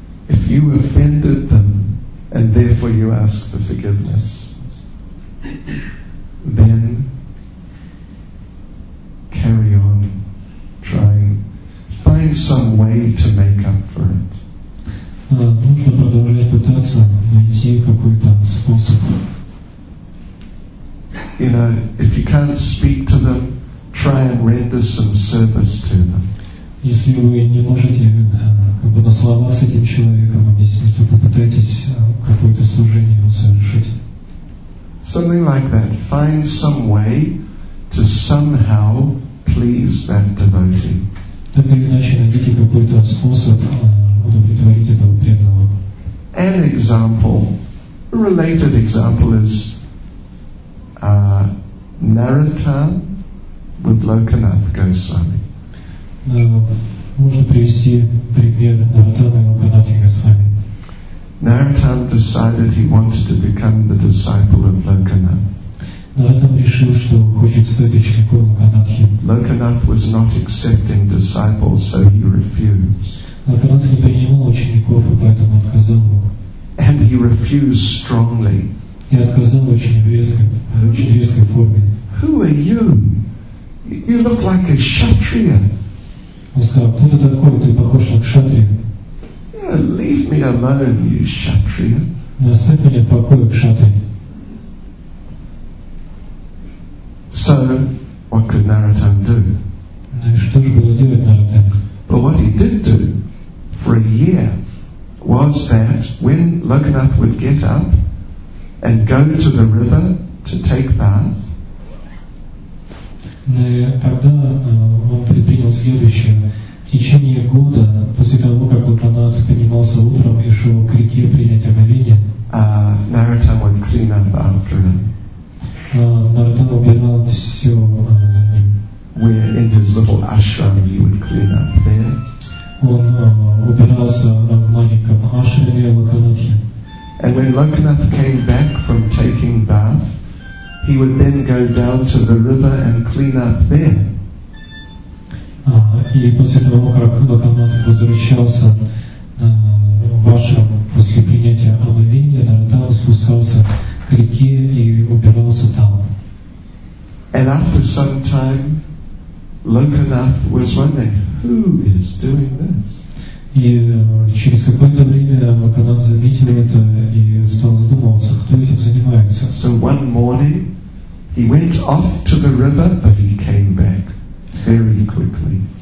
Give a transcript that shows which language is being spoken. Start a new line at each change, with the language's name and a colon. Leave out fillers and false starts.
English: If you offended them and therefore you ask for forgiveness, then carry on trying. Find some way to make up for it.
Russian: Нужно продолжать пытаться найти какой-то способ.
English: You know, if you can't speak to them, try and render some service to them.
Russian: Если вы не можете как бы на словах с этим человеком объясниться, попытайтесь какое-то служение совершить.
English: Something like that. Find some way to somehow please that devotee.
Russian: Так или иначе, найдите какой-то способ удовлетворить этого преданного.
English: An example, a related example is Naratan with Lokanath Goswami.
Russian: Можно привести пример Наратана и Локанатхи Госвами.
English: Naratan decided he wanted to become the disciple of Lokanath.
Russian: Наратан решил, что хочет стать учеником Локанатхи.
English: Lokanath was not accepting disciples, so he refused.
Russian: Локанатхи не принимал учеников, и поэтому отказал его.
English: And he refused strongly.
Russian: Я отказал в очень резкой форме.
English: Who are you? You look like a kshatriya.
Russian: Он сказал, кто ты такой? Ты похож на кшатрия.
English: Yeah, leave me alone, you kshatriya.
Russian: Оставь меня в покое, кшатрия.
English: So, what could Naratan do?
Russian: Ну и что же было делать Наратан?
English: But what he did do, for a year, was that when Lokanath would get up and go to the river to take bath,
Russian: когда он предпринял следующее течение года после того, как Лакнанатх поднимался утром и шел к реке принять омовение,
English: Наратам would clean up after him.
Russian: Наратам убирал все за ним.
English: Where in his little ashram he would clean up there.
Russian: Он убирался в маленьком ашраме Лакнанатхе.
English: And when Lakanath came back from taking bath, he would then go down to the river and clean up there.
Russian: И после того, как Лакнанатх возвращался в ашрам после принятия омовения, Нарадхава спускался к реке и убирался там.
English: And after some time, Lakanath was wondering, who is doing this?
Russian: И через какое-то время Лакнанатх заметил это и стал задумываться, кто этим занимается.
English: So one morning, he went off to the river, but he came back very quickly.